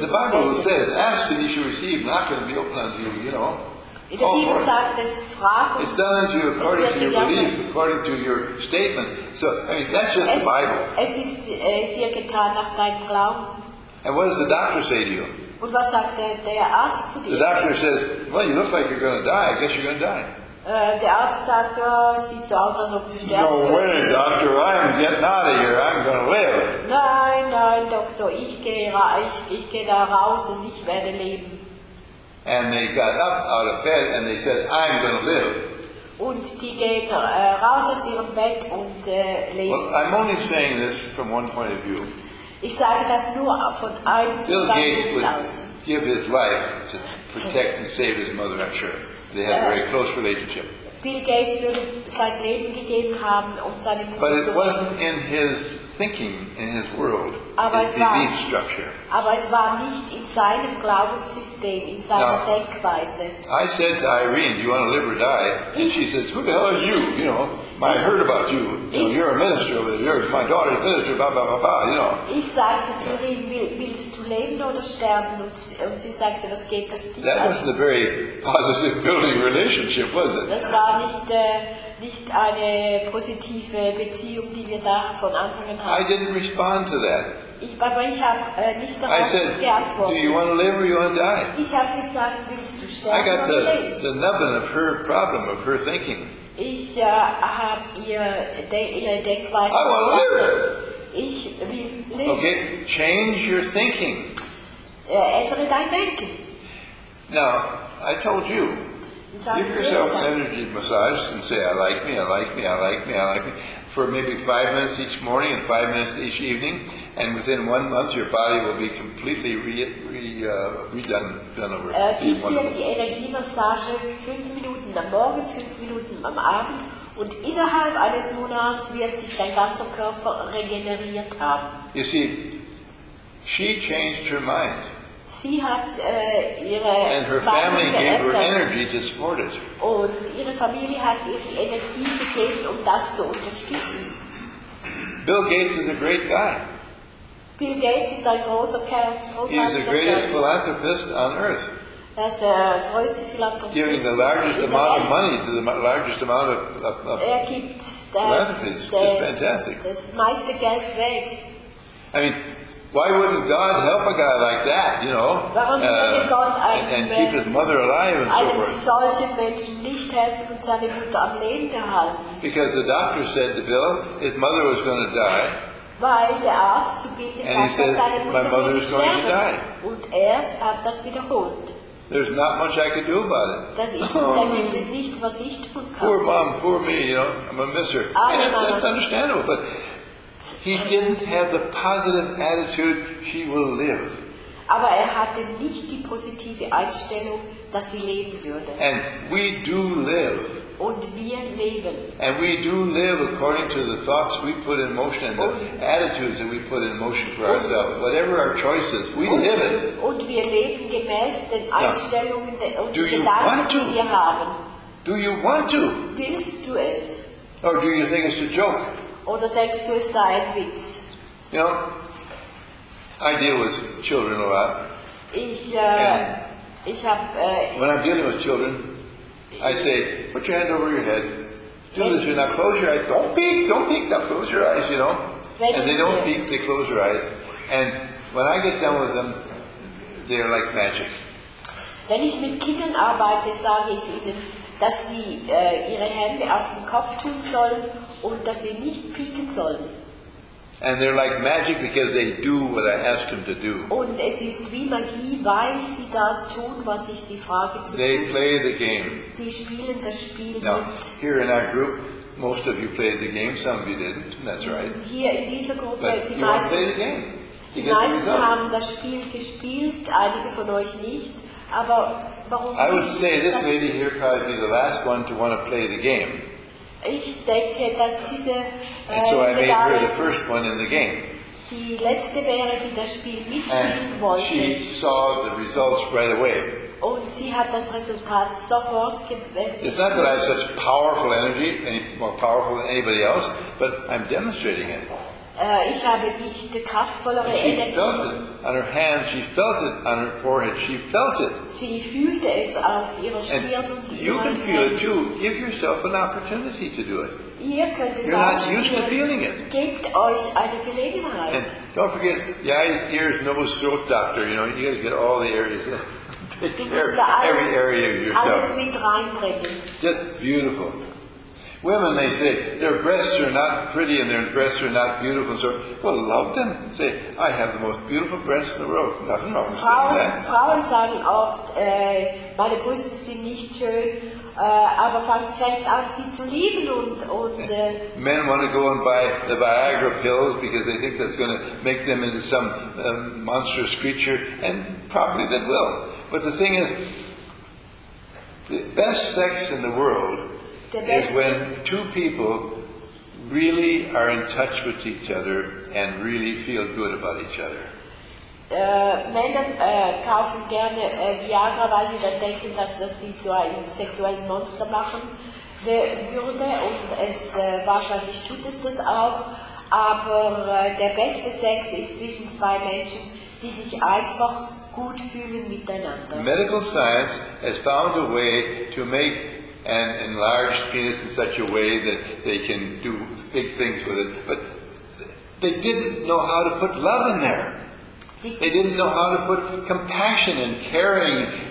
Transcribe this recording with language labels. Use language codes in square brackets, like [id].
[en] The Bible says, ask and you shall receive, not going to be open unto you, [de] In der Bibel sagt, es ist Frage und [en] It's done unto you according to your belief, according to your statement. So, that's just the Bible. [de] Es ist dir getan nach deinem Glauben. [en] And what does the doctor say to you? [de] Und was sagt der Arzt zu dir? [en] The doctor says, well, you look like you're going to die. I guess you're going to die. [de] Der Arzt sagt, sieht so aus, als ob du sterben [en] No way, doctor, I'm getting out of here. I'm going to live. [de] Nein, Doktor, ich gehe da raus und ich werde leben. [en] And they got up out of bed and they said, I'm going to live. [de] Und die gehen raus aus ihrem Bett und leben. [en] Well, I'm only saying this from one point of view. [de] Ich sage das nur von einem [en] Bill Gates would give his life to protect and save his mother, I'm sure. They had a very close relationship. [de] Bill Gates würde sein Leben gegeben haben, um seine Mutter zu retten. [en] But it wasn't in his thinking, in his world. [de] Aber [en] in the belief structure. [de] Aber es war nicht in seinem Glaubenssystem, in seiner Denkweise. [en] I said to Irene, do you want to live or die? And she says, who the hell are you? I heard about you. You're a minister over there. You're my daughter's minister, blah, blah, blah, blah, [de] Ich sagte zu Irene, willst du leben oder sterben? Und sie sagte, was geht das dich an? [en] That wasn't a very positive building relationship, was it? [de] Das war nicht eine positive Beziehung, die wir da von Anfang an hatten. [en] I didn't respond to that. I said, do you want to live or you want to die? [de] Ich habe gesagt, willst du sterben [en] I got the nubbin of her problem, of her thinking. [de] Ich habe ihre Denkweise. [en] I want to live. [de] Ich will leben. [en] Okay, change your thinking. [de] Ändere dein Denken. [en] Now, I told you, give yourself an energy massage and say, I like me, I like me, I like me, I like me, for maybe 5 minutes each morning and 5 minutes each evening. And within 1 month, your body will be completely redone over. [de] Gib dir die Energiemassage 5 Minuten am Morgen, 5 Minuten am Abend, und innerhalb eines Monats wird sich dein ganzer Körper regeneriert haben. [en] You see, she changed her mind. [de] Sie hat ihre [en] And her family gave her energy to support it. [de] Und ihre Familie hat ihr die Energie gegeben, um das zu unterstützen. [en] Bill Gates is a great guy. [de] Bill Gates ist ein großer Kerl. [en] He is the greatest philanthropist on earth. [de] Er ist der größte Philanthropist. [en] Giving the largest amount of money to the largest amount of philanthropies. It's fantastic. [de] Das meiste Geld weg. [en] I mean, why wouldn't God help a guy like that, and keep his mother alive and so forth? [de] Einem solchen Menschen nicht helfen und seine Mutter am Leben erhalten. [en] Because the doctor said to Bill, his mother was going to die. [de] Weil der Arzt zu Bill gesagt hat, seine Mutter würde sterben. [en] Going to die. [de] Und er hat das wiederholt. [en] There's not much I could do about it. [de] Da gibt es nichts, was ich tun kann. [en] Poor mom, poor me, I'm a misser. That's understandable, but he didn't have the positive attitude, she will live. [de] Aber er hatte nicht die positive Einstellung, dass sie leben würde. [en] And we do live. [de] Und wir leben. [en] And we do live according to the thoughts we put in motion and the attitudes that we put in motion for ourselves. Whatever our choices, we live it. [de] Und wir leben gemäß den Einstellungen und Gedanken, die wir haben. [en] Do you want to? [de] Willst du es? [en] Or do you think it's a joke? [de] Oder denkst du, es sei ein Witz? [en] I deal with children a lot. When I'm dealing with children, I say, put your hand over your head. Do this, you're not, close your eyes. Don't peek, now close your eyes, you know. And they don't peek, they close their eyes. And when I get done with them, they're like magic. [de] Wenn ich mit Kindern arbeite, sage ich ihnen, dass sie ihre Hände auf den Kopf tun sollen und dass sie nicht pieken sollen. [en] And they're like magic because they do what I ask them to do. [de] Und es ist wie Magie, weil sie das tun, was ich sie frage zu tun. [en] They play the game. [de] Die spielen das Spiel [en] now, [de] mit. [en] Here in our group, most of you played the game, some of you didn't, that's right. [de] Hier in dieser Gruppe, [en] but [de] die [en] you [de] meisten, [en] play the game. [de] Die meisten haben das Spiel gespielt, einige von euch nicht. Aber warum [en] I would say this lady here probably be the last one to want to play the game. [de] Ich denke, dass diese, [en] and so I made her the first one in the game. [de] Die letzte wäre, die das Spiel mitspielen wollte. [en] She saw the results right away. [de] Und sie hat das Resultat sofort [en] it's not that I have such powerful energy, any more powerful than anybody else, but I'm demonstrating it. [de] Ich habe nicht die kraftvollere Energie. [en] She felt it on her hands, she felt it on her forehead, she felt it. [de] Sie fühlte es auf ihrer Stirn. [en] You can feel it too. Give yourself an opportunity to do it. [de] Ihr könnt es [en] you're not used to feeling it. [de] Gebt euch eine Gelegenheit. [en] And don't forget the eyes, ears, nose, throat doctor. You know, you got to get all the areas in. Every area of yourself. [de] Alles mit reinbringen. [en] Just beautiful. Women, they say, their breasts are not pretty and their breasts are not beautiful. So, well, love them. Say, I have the most beautiful breasts in the world. Nothing wrong with saying that. [de] Frauen sagen oft, meine Brüste sind nicht schön, aber fängt an, sie zu lieben. [en] Men want to go and buy the Viagra pills because they think that's going to make them into some monstrous creature, and probably that will. But the thing is, the best sex in the world is when two people really are in touch with each other and really feel good about each other. [de] Männer kaufen gerne Viagra, weil sie dann denken, dass das sie zu einem sexuellen Monster machen würde. Und es wahrscheinlich tut es das auch. Aber der beste Sex ist zwischen zwei Menschen, die sich einfach gut fühlen miteinander. [en] Medical science has found a way to make an enlarged penis in such a way that they can do big things with it, but they didn't know how to put love in there. They didn't know how to put compassion and caring.